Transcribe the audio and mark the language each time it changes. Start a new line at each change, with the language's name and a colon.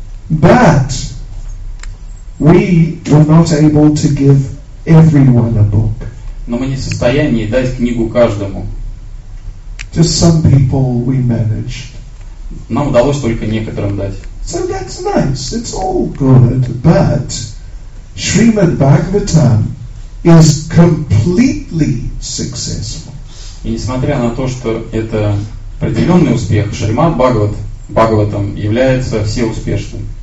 English: But we were not able to give everyone a book.
Russian: Но мы не в состоянии дать книгу каждому.
English: Just some people we managed.
Russian: Нам удалось только некоторым дать.
English: So that's nice. It's all good, but Srimad Bhagavatam is completely successful.
Russian: И несмотря на то, что это определенный успех, Шримад Бхагаватам является всеуспешным.